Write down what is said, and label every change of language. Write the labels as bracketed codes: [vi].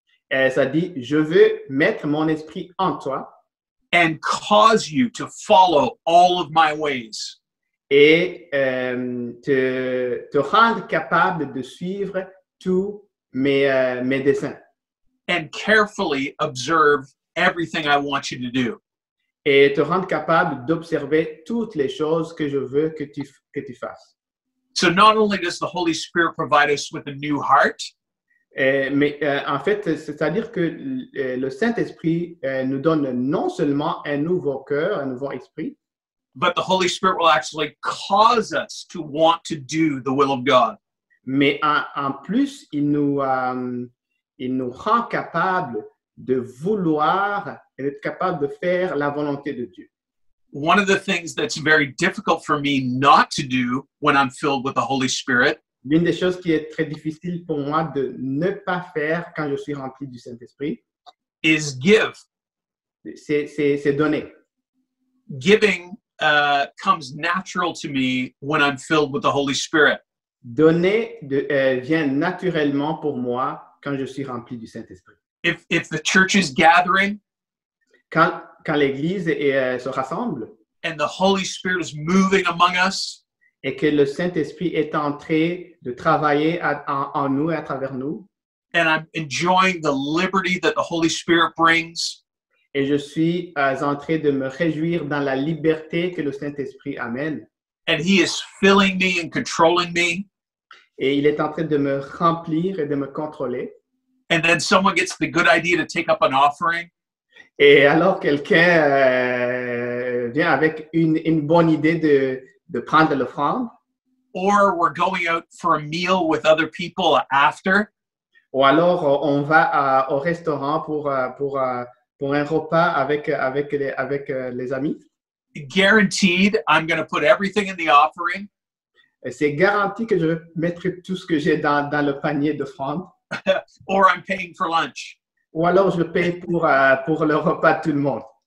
[fr] Et ça dit, je veux mettre mon esprit en toi. [en] And cause you to follow all of my ways. [fr] Et te rendre capable de suivre tous mes desseins. [en] And carefully observe everything I want you to do. [fr] Et te rendre capable d'observer toutes les choses que je veux que tu fasses. [en] So not only does the Holy Spirit provide us with a new heart, [fr] En fait, c'est-à-dire que le Saint-Esprit nous donne non seulement un nouveau cœur, un nouveau esprit, [en] but the Holy Spirit will actually cause us to want to do the will of God. [fr] Mais en plus, il nous rend capable de vouloir et d'être capable de faire la volonté de Dieu. [en] One of the things that's very difficult for me not to do when I'm filled with the Holy Spirit. [fr] L'une des choses qui est très difficile pour moi de ne pas faire quand je suis rempli du Saint-Esprit. [en] Is give. [fr] C'est donner. [en] Giving comes natural to me when I'm filled with the Holy Spirit. [fr] Donner vient naturellement pour moi quand je suis rempli du Saint-Esprit. [en] If the church is gathering. [fr] Quand l'Église se rassemble. [en] And the Holy Spirit is moving among us. [fr] Et que le Saint-Esprit est entré de travailler en nous et à travers nous. [en] And I'm enjoying the liberty that the Holy Spirit brings. [fr] Et je suis en train de me réjouir dans la liberté que le Saint-Esprit amène. [en] And he is filling me and controlling me. [fr] Et il est en train de me remplir et de me contrôler. [en] And then someone gets the good idea to take up an offering. [fr] Et alors quelqu'un vient avec une bonne idée de prendre l'offrande. [en] Or we're going out for a meal with other people after. [fr] Ou alors on va au restaurant pour un repas avec les amis. [en] Guaranteed, I'm going to put everything in the offering. [fr] Et c'est garanti que je mettrai tout ce que j'ai dans le panier d'offrande. [en] Or I'm paying for lunch. [fr] Ou alors je paye pour le repas de tout le monde.